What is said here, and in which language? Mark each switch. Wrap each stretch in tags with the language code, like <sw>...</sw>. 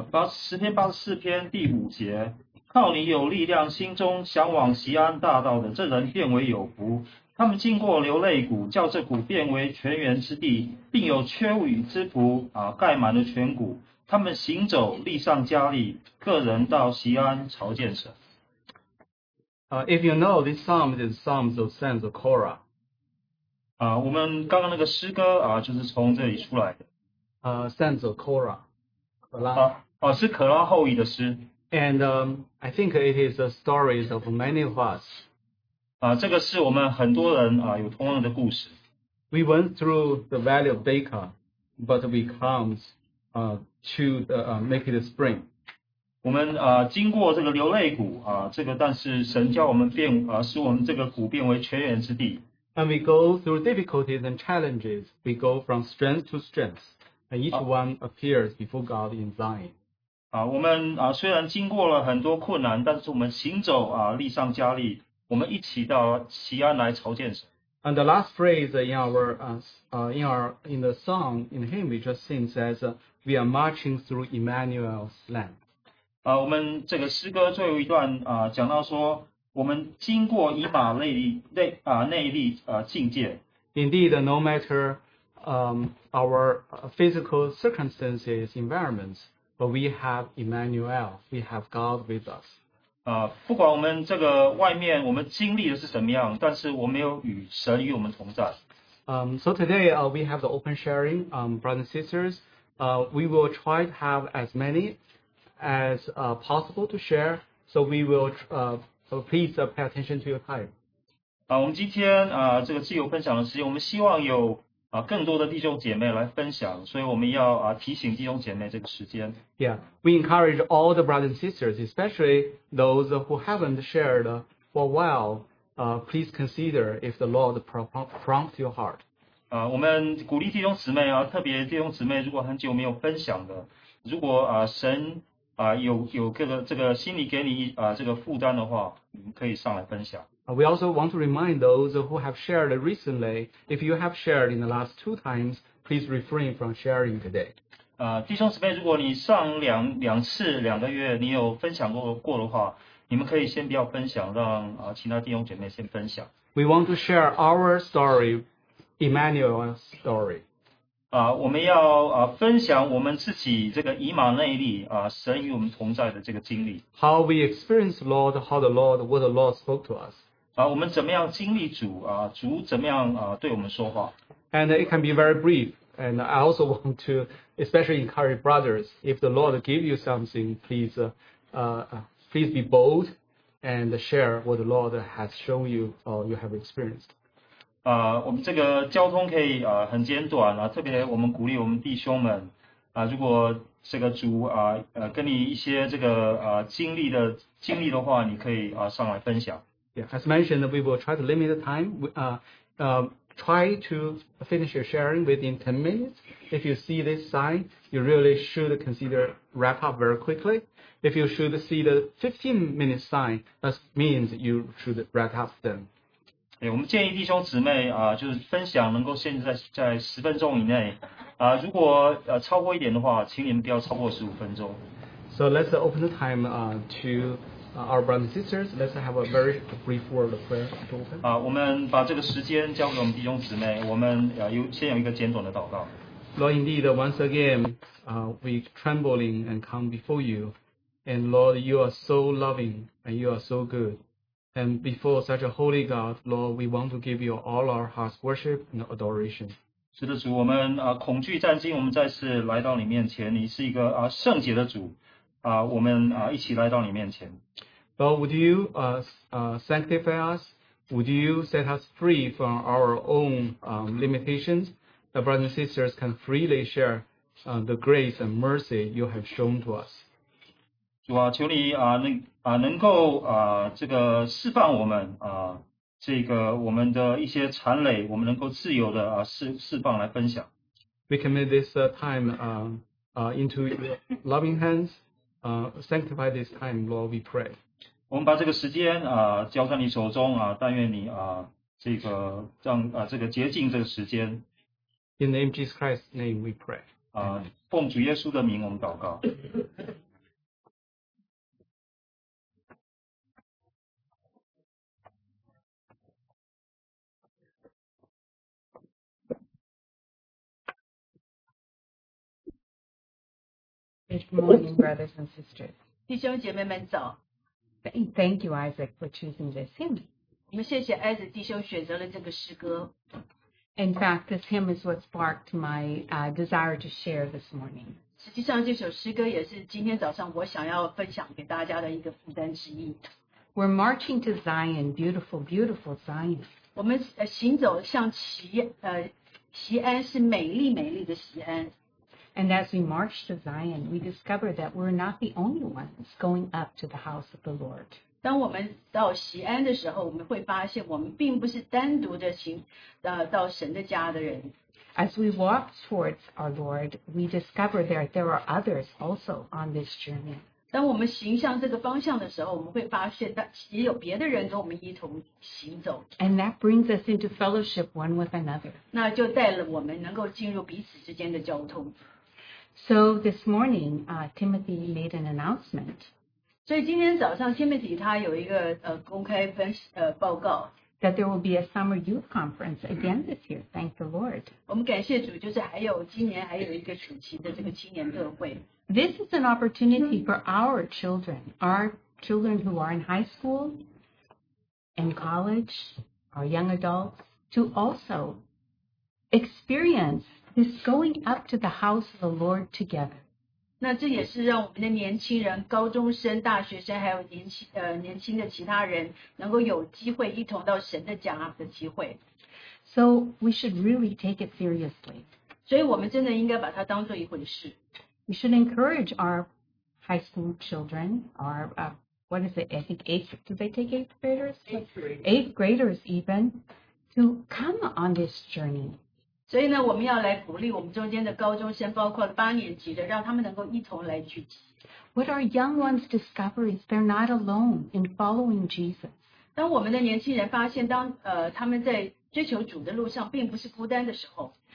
<zh>诗篇84篇第五节，靠你有力量，心中向往锡安大道的这人变为有福。他们经过流泪谷，叫这谷变为泉源之地，并有缺雨之谷盖满了泉谷。他们行走，力上加力，个人到锡安朝见神。</zh> <en>If you know this psalm, is the psalm of sons of Korah.</en> <zh>我们刚刚那个诗歌就是从这里出来的。</zh> <en>Sons of Korah.</en> <zh>是可拉后裔的诗。</zh> <en>And I think it is the stories of many of us.</en> <zh>这个是我们很多人有同样的故事。</zh> <en>We went through the valley of Baca, but we come to the, make it a spring.</en> <zh>我们经过这个流泪谷这个但是神叫我们变使我们这个谷变为泉源之地。</zh> <en>And we go through difficulties and challenges. We go from strength to strength. And each one appears before God in Zion.</en> <zh>我们虽然经过了很多困难，但是我们行走力上加力，我们一起到锡安来朝见神。</zh> <en>And the last phrase in the song in the hymn we just sing says, "We are marching through Emmanuel's land."</en> <zh>我们这个诗歌最后一段讲到说，我们经过以马内利境界。</zh> <en>Indeed, no matter. Our physical circumstances, environments, but we have Emmanuel, we have God with us.</en> <zh>不管我们这个外面我们经历的是什么样，但是我们有与神与我们同在。</zh> <en>So today, we have the open sharing, brothers and sisters. We will try to have as many as possible to share. So we will please pay attention to your time.</en> <zh>我们今天这个自由分享的时间，我们希望有。更多的弟兄姐妹来分享，所以我们要提醒弟兄姐妹这个时间。</zh> <en>Yeah, we encourage all the brothers and sisters, especially those who haven't shared for a while, please consider if the Lord prompts your heart.</en> <zh>我们鼓励弟兄姊妹特别弟兄姊妹如果很久没有分享的，如果神有这个心里给你这个负担的话，你可以上来分享。</zh> <en>We also want to remind those who have shared recently, if you have shared in the last two times, please refrain from sharing today.</en> <zh>弟兄姊妹，如果你上两个月你有分享过的话，你们可以先不要分享，让其他弟兄姐妹先分享。</zh> <en>We want to share our story, Emmanuel's story.</en> <zh>我们要分享我们自己这个以马内利神与我们同在的这个经历。</zh> <en>How we experienced Lord, what the Lord spoke to us.</en> <zh>我们怎么样经历主主怎么样对我们说话</zh> <en>？And it can be very brief. And I also want to especially encourage brothers. If the Lord give you something, please, please be bold and share what the Lord has shown you or you have experienced.</en> <zh>我们这个交通可以很简短特别我们鼓励我们弟兄们如果这个主跟你一些这个经历的话，你可以上来分享。</zh> <en>Yeah, as mentioned, we will try to limit the time. Try to finish your sharing within 10 minutes. If you see this sign, you really should consider wrap up very quickly. If you should see the 15-minute sign, that means you should wrap up then.</en> <zh>我们建议弟兄姊妹就是分享能够限制在10分钟以内。如果超过一点的话，请你们不要超过15分钟。</zh> <en>So let's open the time to... our brothers and sisters, let's have a very brief word of prayer to open.</en> <zh>我们把这个时间交给我们弟兄姊妹，我们先有一个简短的祷告。</zh> <en>Lord, indeed, once again, we trembling and come before you. And Lord, you are so loving and you are so good. And before such a holy God, Lord, we want to give you all our hearts worship and adoration.</en> <zh>是的，主，我们恐惧战惊，我们再次来到你面前。你是一个圣洁的主。我们一起来到你面前。</zh> <en>But would you sanctify us? Would you set us free from our own limitations? The brothers and sisters can freely share the grace and mercy you have shown to us.</en> <zh>主啊，求你啊，能够啊，这个释放我们啊，这个我们的一些残累，我们能够自由的啊，释放来分享。</zh> <en>We commit this time into your loving hands. Sanctify this time, Lord. We pray.</en> <zh>我们把这个时间啊交在你手中啊，但愿你啊这个让啊这个洁净这个时间。</zh> <en>In the name of Jesus Christ's name, we pray.</en> <zh>啊，奉主耶稣的名，我们祷告。</zh> <en>Good morning, brothers and sisters. Thank you, Isaac, for choosing this hymn.</en> <zh>谢谢 Isaac 弟兄选择了这个诗歌。</zh> <en>In fact, this hymn is what sparked my desire to share this morning.</en> <zh>实际上这首诗歌也是今天早上我想要分享给大家的一个负担之一。</zh> <en>We're marching to Zion, beautiful, beautiful Zion.</en> <zh>我们行走向锡安是美丽美丽的锡安。</zh> <en>And as we march to Zion, we discover that we're not the only ones going up to the house of the Lord.</en> <zh>当我们到锡安的时候，我们会发现我们并不是单独的行，到神的家的人。</zh> <en>As we walk towards our Lord, we discover that there are others also on this journey.</en> <zh>当我们行向这个方向的时候，我们会发现也有别的人跟我们一同行走。</zh> <en>And that brings us into fellowship one with another.</en> <zh>那就带了我们能够进入彼此之间的交通。</zh> <en>So this morning, Timothy made an announcement.</en> <zh>所以今天早上 ，Timothy 他有一个公开分报告。</zh> <en>That there will be a summer youth conference again this year. Thank the Lord.</en> <zh>我们感谢主，就是还有今年还有一个暑期的这个青年特会。</zh> <en>This is an opportunity for our children who are in high school, in college, our young adults, to also experience this going up to the house of the Lord together.</en> <zh>那这也是让我们的年轻人，高中生、大学生，还有年轻的其他人，能够有机会一同到神的家的机会。</zh> <en>So we should really take it seriously.</en> <zh>所以我们真的应该把它当做一回事。</zh> <en>We should encourage our high school children, our, what is it, I think eighth graders? Eighth graders even, to come on this journey.</en> <zh>所以呢，我们要来鼓励我们中间的高中生，包括八年级的，让他们能够一同来聚集。</zh> <en>What are young ones discoveries? They're not alone in following Jesus.</en> <zh>当我们的年轻人发现当他们在追求主的路上并不是孤单的时候。</zh>